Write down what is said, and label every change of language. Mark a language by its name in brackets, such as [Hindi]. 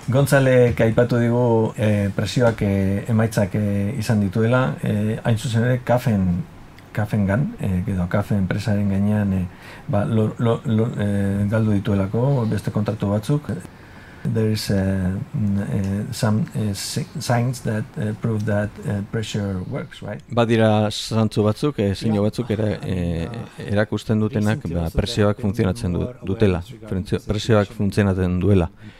[Basque] Gontzalek aipatu digu presioak emaitzak izan dituela, hain zuzen ere kafen, kafen gan, edo kafen enpresaren gainean ba, galdu dituelako beste kontratu batzuk. [English] There is some signs that prove that pressure works, right? [Basque] Badira zantzu batzuk, zinio batzuk ere erakusten dutenak ba, presioak funtzionatzen dutela, presioak funtzionatzen duela.